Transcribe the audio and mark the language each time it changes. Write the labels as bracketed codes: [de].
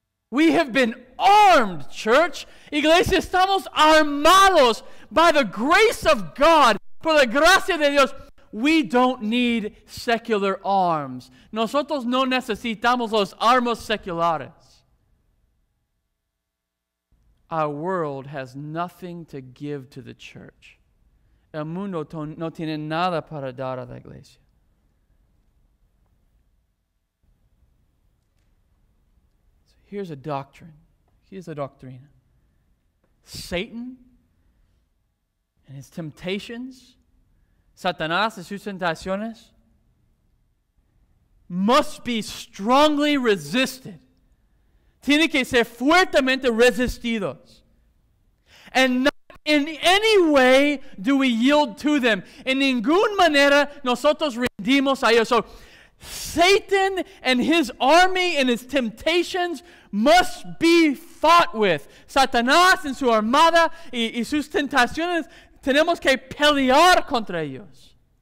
[en] We have been armed, church. [es] Iglesia, estamos armados [en] by the grace of God. [es] Por la gracia de Dios. [en] We don't need secular arms. [es] Nosotros no necesitamos los armas seculares. [en] Our world has nothing to give to the church. [es] El mundo no tiene nada para dar a la iglesia. [en] So here's a doctrine. Here's a doctrina. Satan and his temptations, [es] Satanás y sus tentaciones, [en] must be strongly resisted. [es] Tiene que ser fuertemente resistidos. [en] And not in any way do we yield to them. [es] En ninguna manera nosotros rendimos a ellos. [en] So Satan and his army and his temptations must be fought with. [es] Satanás y su armada y sus tentaciones, tenemos que pelear contra ellos.